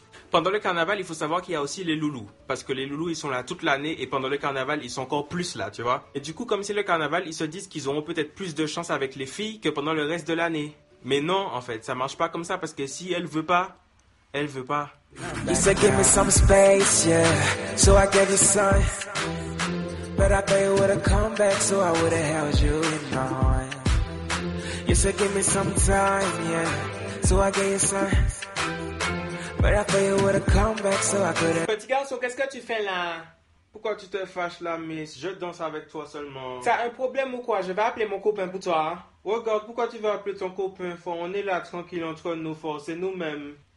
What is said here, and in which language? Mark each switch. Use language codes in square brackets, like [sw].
[fr] Pendant le carnaval, il faut savoir qu'il y a aussi les loulous. Parce que les loulous, ils sont là toute l'année et pendant le carnaval, ils sont encore plus là, tu vois. Et du coup, comme c'est le carnaval, ils se disent qu'ils auront peut-être plus de chance avec les filles que pendant le reste de l'année. Mais non, en fait, ça marche pas comme ça parce que si elle veut pas, elle veut pas. [en] He said, give me some space, yeah. So I gave you some. But I thought you would have come back, so I would have held you in my arms. He said, give me some time, yeah. So I gave you some. [fr] Petit garçon, qu'est-ce que tu fais là? Pourquoi tu te fâches là, miss? Je danse avec toi seulement. T'as un problème ou quoi? Je vais appeler mon copain pour toi. Regarde, pourquoi tu veux appeler ton copain? On est là tranquille entre nous, c'est nous-mêmes.